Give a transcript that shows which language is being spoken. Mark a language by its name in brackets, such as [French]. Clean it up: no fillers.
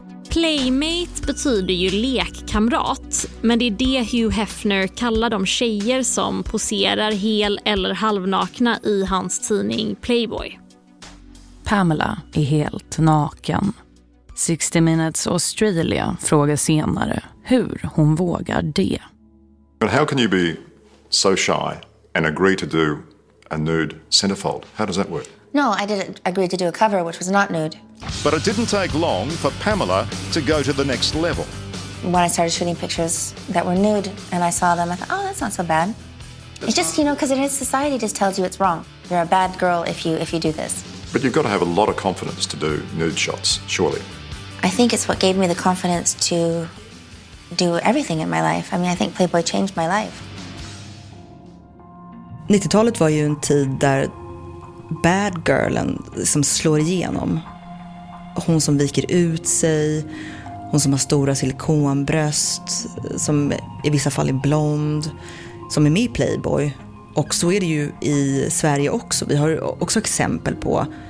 [Swedish] Playmate betyder ju lekkamrat, men det är det Hugh Hefner kallar de tjejer som poserar hel- eller halvnakna i hans tidning Playboy. Pamela är helt naken. 60 Minutes Australia frågar senare hur hon vågar det. [English] But how can you be so shy and agree to do a nude centerfold? How does that work? No, I did agree to do a cover which was not nude. But it didn't take long for Pamela to go to the next level. When I started shooting pictures that were nude and I saw them, I thought, oh, that's not so bad. It's just, you know, because it is society just tells you it's wrong. You're a bad girl if you do this. But you've got to have a lot of confidence to do nude shots, surely. I think it's what gave me the confidence to do everything in my life. I mean, I think Playboy changed my life. [Swedish] 90-talet var ju en tid där bad girlen som slår igenom. Hon som viker ut sig, hon som har stora silikonbröst, som i vissa fall är blond, som är med i Playboy. Och så är det ju i Sverige också. Vi har också exempel på